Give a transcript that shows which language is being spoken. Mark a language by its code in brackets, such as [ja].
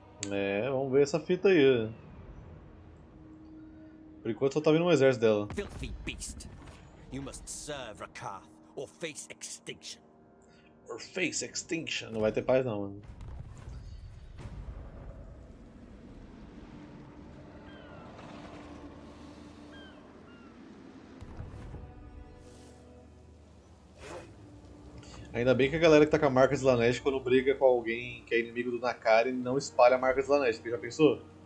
[pt] É, vamos ver essa fita aí. Por enquanto só tá vindo um exército dela. [en] Filthy beast. You must serve Rakath or face extinction. Or face extinction. [pt] Não vai ter paz não, mano. Ainda bem que a galera que tá com a marca Slaanesh, quando briga com alguém que é inimigo do Nakari, não espalha a marca Slaanesh. Porque já pensou?